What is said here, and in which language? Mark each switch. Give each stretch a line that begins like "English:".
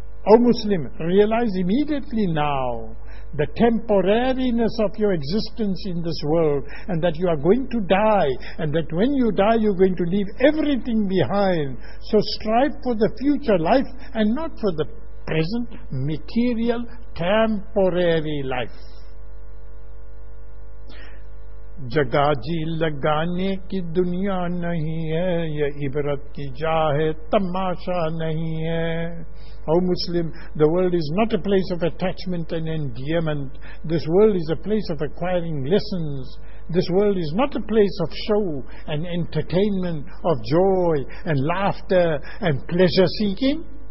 English: O Muslim, realize immediately now the temporariness of your existence in this world, and that you are going to die, and that when you die you are going to leave everything behind. So strive for the future life and not for the present material temporary life.
Urdu: جگہ جی لگانے کی دنیا نہیں ہے، یہ عبرت کی جا ہے تماشا نہیں ہے.
English: O Muslim, the world is not a place of attachment and endearment. This world is a place of acquiring lessons. This world is not a place of show and entertainment, of joy and laughter and pleasure seeking.